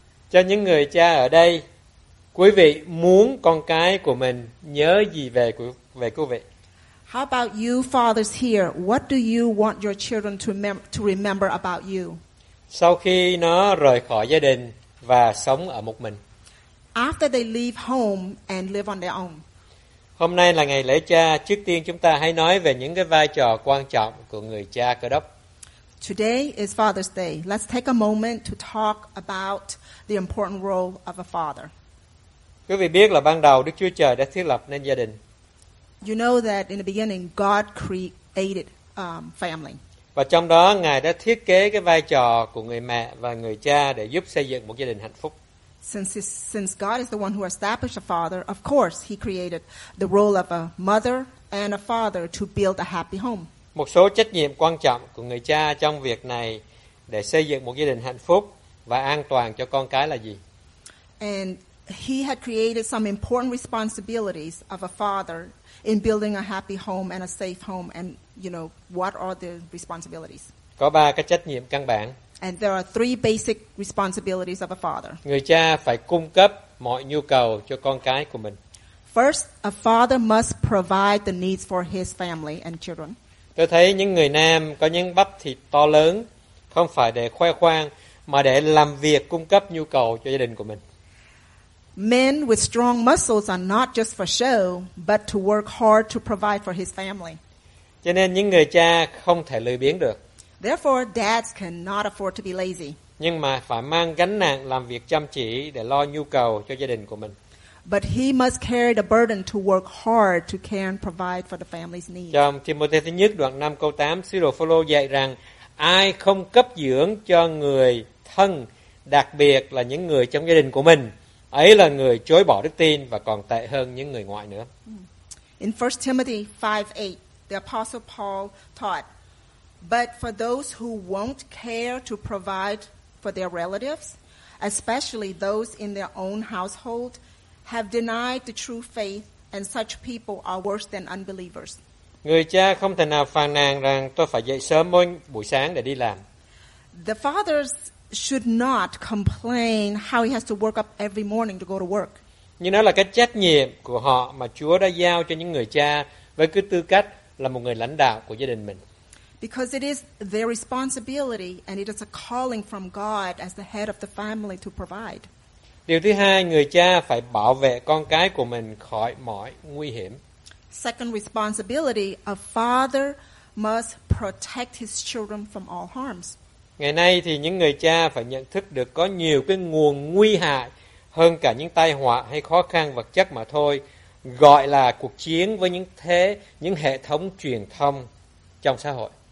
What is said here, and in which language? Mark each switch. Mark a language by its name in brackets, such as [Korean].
[Vietnamese] Cho những người cha ở đây, quý vị muốn con cái của mình nhớ gì về quý vị? [English] How about you, fathers here? What do you want your children to remember about you? [Vietnamese] Sau khi nó rời khỏi gia đình và sống ở một mình. [English] After they leave home and live on their own. [Vietnamese] Hôm nay là ngày lễ cha, trước tiên chúng ta hãy nói về những cái vai trò quan trọng của người cha Cơ Đốc. [English] Today is Father's Day. Let's take a moment to talk about the important role of a father. [Vietnamese] Quý vị biết là ban đầu Đức Chúa Trời đã thiết lập nên gia đình. [English] You know that in the beginning God created family. [Vietnamese] Và trong đó Ngài đã thiết kế cái vai trò của người mẹ và người cha để giúp xây dựng một gia đình hạnh phúc. [English] Since God is the one who established a father, of course he created the role of a mother and a father to build a happy home. [Vietnamese] Một số trách nhiệm quan trọng của người cha trong việc này để xây dựng một gia đình hạnh phúc và an toàn cho con cái là gì? [English] And he had created some important responsibilities of a father in building a happy home and a safe home. And, you know, what are the responsibilities? [Vietnamese] Có ba cái trách nhiệm căn bản. [English] And there are three basic responsibilities of a father. [Vietnamese] Người cha phải cung cấp mọi nhu cầu cho con cái của mình. [English] First, a father must provide the needs for his family and children. [Vietnamese] Tôi thấy những người nam có những bắp thịt to lớn không phải để khoe khoang mà để làm việc cung cấp nhu cầu cho gia đình của mình. [English] Men with strong muscles are not just for show, but to work hard to provide for his family. [Vietnamese] Cho nên những người cha không thể lười biếng được. [English] Therefore, dads cannot afford to be lazy. [Vietnamese] Nhưng mà phải mang gánh nặng làm việc chăm chỉ để lo nhu cầu cho gia đình của mình. [English] But he must carry the burden to work hard to care and provide for the family's needs. [Vietnamese] Trong Timothy thứ nhất đoạn 5 câu 8, sứ đồ Phaolô dạy rằng ai không cấp dưỡng cho người thân, đặc biệt là những người trong gia đình của mình, ấy là người chối bỏ đức tin và còn tệ hơn những người ngoại nữa. [English] In 1 Timothy 5:8, the apostle Paul taught, but for those who won't care to provide for their relatives, especially those in their own household, have denied the true faith, and such people are worse than unbelievers. [Vietnamese] Người cha không thể nào phàn nàn rằng tôi phải dậy sớm mỗi buổi sáng để đi làm. [English] The fathers should not complain how he has to work up every morning to go to work. [Vietnamese] Nhưng đó là cái trách nhiệm của họ mà Chúa đã giao cho những người cha với cái tư cách là một người lãnh đạo của gia đình mình. [English] Because it is their responsibility and it is a calling from God as the head of the family to provide. [Vietnamese] Điều thứ hai, người cha phải bảo vệ con cái của mình khỏi mọi nguy hiểm. [English] Second responsibility, a father must protect his children from all harms. [Vietnamese] Ngày nay thì những người cha phải nhận thức được có nhiều cái nguồn nguy hại hơn cả những tai họa hay khó khăn vật chất mà thôi, gọi là cuộc chiến với những hệ thống truyền thông trong xã hội.